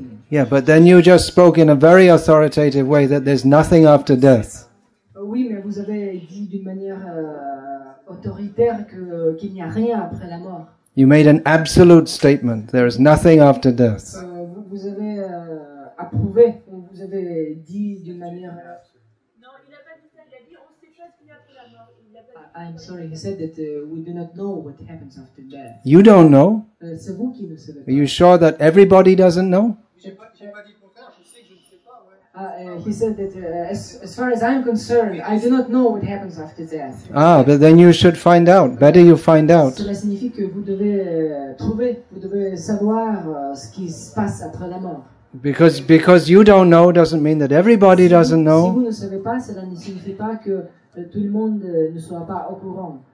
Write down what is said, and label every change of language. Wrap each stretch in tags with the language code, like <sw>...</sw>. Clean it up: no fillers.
<en>Yeah, but then you just spoke in a very authoritative way that there's nothing after death.</en> <fr>Oui, mais vous avez dit d'une manière autoritaire qu'il n'y a rien après la mort.</fr> <en>You made an absolute statement. There is nothing after death.</en> <fr>Vous avez approuvé, vous avez dit d'une manière...</fr> <en>I'm sorry, he said that we do not know what happens after death. You don't know?</en> <fr>C'est vous qui ne savez pas.</fr> <en>Are you sure that everybody doesn't know? He said that as far as I'm concerned, I do not know what happens after death. Ah, but then you should find out. Better you find out.</en> <fr>Cela signifie que vous devez trouver, vous devez savoir ce qui se passe après la mort.</fr> <en>Because you don't know doesn't mean that everybody doesn't know.</en> <fr>Si vous ne savez pas, cela ne signifie pas que tout le monde ne soit pas au courant.</fr>